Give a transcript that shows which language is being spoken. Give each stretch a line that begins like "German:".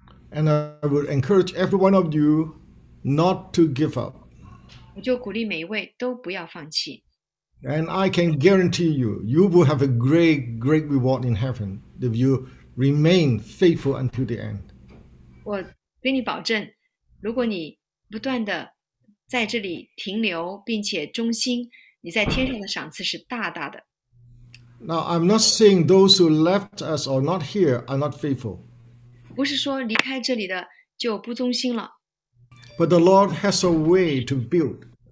English: And I would encourage every one of you not to give up.
Chinese: 我就鼓励每一位都不要放弃。
English: And I can guarantee you, you will have a great, great reward in heaven if you remain faithful until the end.
Chinese: 我给你保证，如果你不断地在这里停留，并且忠心，你在天上的赏赐是大大的。
English: Now, I'm not saying those who left us or not here are not faithful.
Chinese: 不是说离开这里的就不忠心了。
English: But the Lord has a way to build.